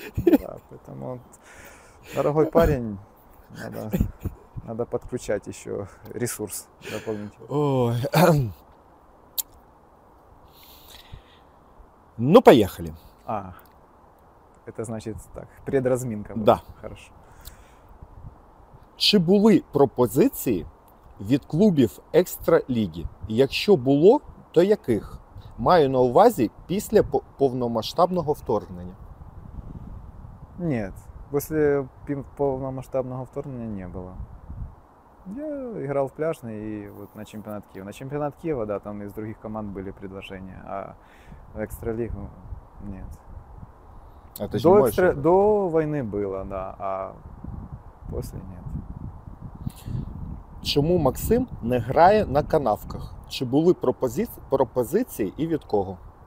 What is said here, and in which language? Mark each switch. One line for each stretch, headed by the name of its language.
Russian: Да, поэтому дорогой парень, надо подключать еще ресурс дополнительно. Ой. Ну, поехали. А, это значит так, предразминка. Да. Хорошо.
Ukrainian: Чи були пропозиції від клубів екстраліги? Якщо було, то яких? Маю на увазі після повномасштабного вторгнення.
Russian: Нет, после
Ukrainian: повномасштабного вторгнення
Russian: не было. Я играл в пляжный и вот на чемпионат Киева. На чемпионат Киева, да, там из других команд были предложения, а в экстралигу нет. А ты до войны было, да, а после нет.
Ukrainian: Чому Максим не грає на канавках? Чи були пропозиції і від кого?